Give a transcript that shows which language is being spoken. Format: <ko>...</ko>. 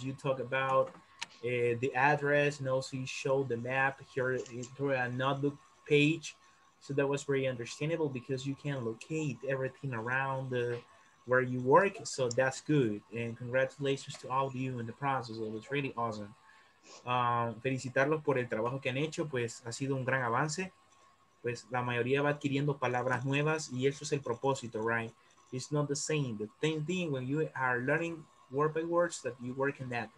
<en>You talk about the address and also you show the map here through a notebook page. So that was very understandable because you can locate everything around where you work. So that's good. And congratulations to all of you in the process. It was really awesome.</en> <es>Felicitarlos por el trabajo que han hecho, pues ha sido un gran avance, pues la mayoría va adquiriendo palabras nuevas y eso es el propósito,</es> <en>right? It's not the same, the same thing when you are learning word by words that you work in that.</en>